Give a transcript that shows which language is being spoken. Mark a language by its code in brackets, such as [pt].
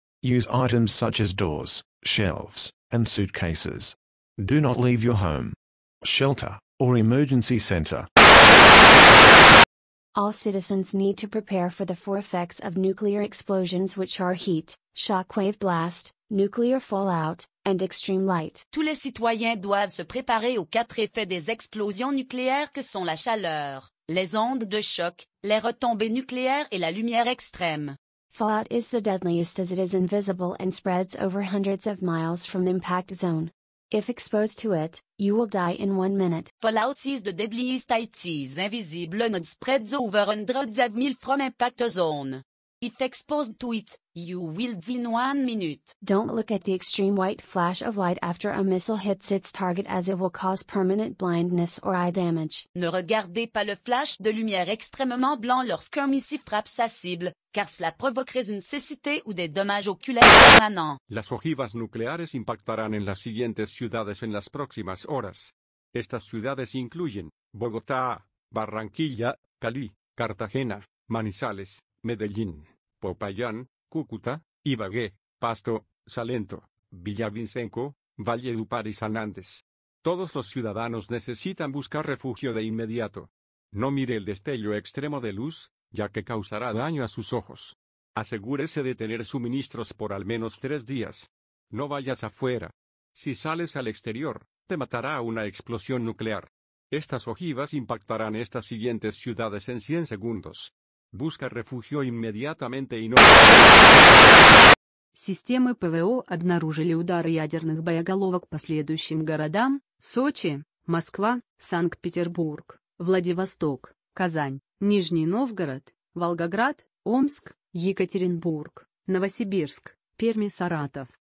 [en] Use items such as doors, shelves, and suitcases. Do not leave your home, shelter, or emergency center. All citizens need to prepare for the four effects of nuclear explosions, which are heat, shockwave blast, nuclear fallout, and extreme light. [fr] Tous les citoyens doivent se préparer aux quatre effets des explosions nucléaires que sont la chaleur, les ondes de choc, les retombées nucléaires et la lumière extrême. [en] Fallout is the deadliest as it is invisible and spreads over hundreds of miles from the impact zone. If exposed to it, you will die in 1 minute. Fallout is the deadliest it is invisible and spreads over hundreds of miles from impact zone. If exposed to it, you will die in 1 minute. Don't look at the extreme white flash of light after a missile hits its target as it will cause permanent blindness or eye damage. [fr] Ne regardez pas le flash de lumière extrêmement blanc lorsqu'un missile frappe sa cible, car cela provoquerait une cécité ou des dommages oculaires permanents. [es] Las ojivas nucleares impactarán en las siguientes ciudades en las próximas horas. Estas ciudades incluyen Bogotá, Barranquilla, Cali, Cartagena, Manizales, Medellín, Popayán, Cúcuta, Ibagué, Pasto, Salento, Villavicencio, Valledupar y San Andrés. Todos los ciudadanos necesitan buscar refugio de inmediato. No mire el destello extremo de luz, ya que causará daño a sus ojos. Asegúrese de tener suministros por al menos 3 días. No vayas afuera. Si sales al exterior, te matará una explosión nuclear. Estas ojivas impactarán estas siguientes ciudades en 100 segundos. Busca refugio inmediatamente y no... [ru] Системы ПВО обнаружили удары ядерных боеголовок по следующим городам: Сочи, Москва, Санкт-Петербург, Владивосток, Казань, Нижний Новгород, Волгоград, Омск, Екатеринбург, Новосибирск, Перми, Саратов.